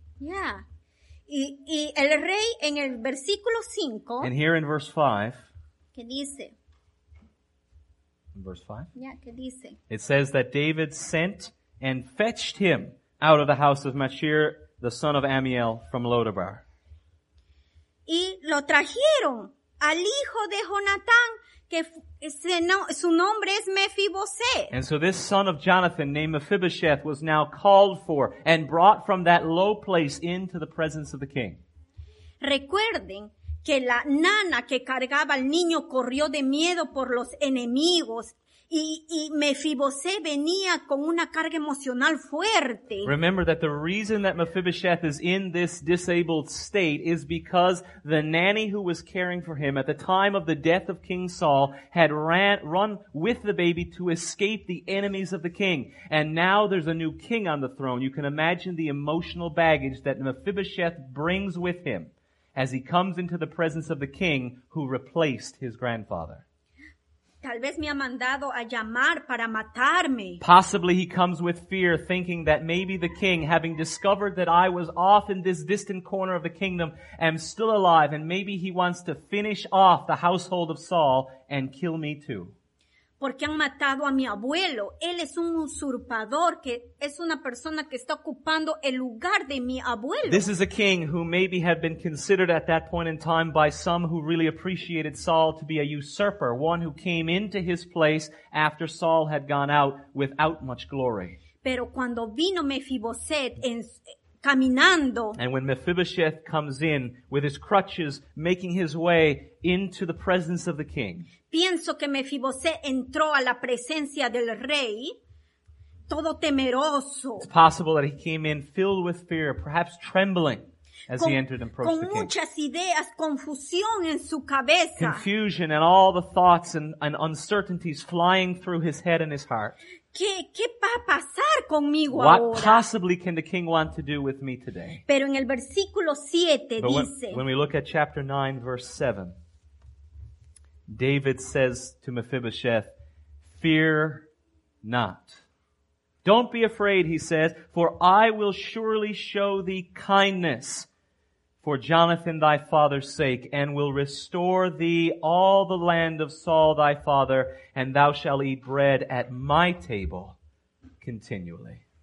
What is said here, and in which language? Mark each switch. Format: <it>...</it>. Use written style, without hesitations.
<es>Yeah. Y el rey en el versículo 5.</es> <en>And here in verse 5.</en> <es>¿Qué dice?</es> <en>In verse 5.</en> <es>Yeah, ¿qué dice?</es> <en>It says that David sent and fetched him out of the house of Machir, the son of Amiel, from Lodebar.</en> <es>Y lo trajeron al hijo de Jonatán, que su nombre es Mephibosheth.</es> <en>And so this son of Jonathan named Mephibosheth was now called for and brought from that low place into the presence of the king.</en> <es>Recuerden que la nana que cargaba al niño corrió de miedo por los enemigos Y Mefiboset venía con una carga emocional fuerte.</es> <en>Remember that the reason that Mephibosheth is in this disabled state is because the nanny who was caring for him at the time of the death of King Saul had run with the baby to escape the enemies of the king. And now there's a new king on the throne. You can imagine the emotional baggage that Mephibosheth brings with him as he comes into the presence of the king who replaced his grandfather.</en> <es>Tal vez me ha mandado a llamar para matarme.</es> <en>Possibly he comes with fear, thinking that maybe the king, having discovered that I was off in this distant corner of the kingdom, am still alive, and maybe he wants to finish off the household of Saul and kill me too.</en> <es>Porque han matado a mi abuelo. Él es un usurpador, que es una persona que está ocupando el lugar de mi abuelo.</es> <en>This is a king who maybe had been considered at that point in time by some who really appreciated Saul to be a usurper, one who came into his place after Saul had gone out without much glory.</en> <es>Pero cuando vino Mefiboset caminando.</es> <en>And when Mephibosheth comes in with his crutches, making his way into the presence of the king.</en> <es>Pienso que Mefiboset entró a la presencia del rey, todo temeroso.</es> <en>It's possible that he came in filled with fear, perhaps trembling as he entered and approached the king.</en> <es>Con muchas ideas, confusión en su cabeza.</es> <en>Confusion and all the thoughts and uncertainties flying through his head and his heart.</en> <es>¿Qué va a pasar conmigo ahora?</es> <en>What possibly can the king want to do with me today?</en> <es>Pero en el versículo 7 dice.</es> <en>When we look at chapter 9, verse 7. David says to Mephibosheth, "Fear not. Don't be afraid," he says, "for I will surely show thee kindness for Jonathan thy father's sake, and will restore thee all the land of Saul thy father, and thou shalt eat bread at my table continually."</en>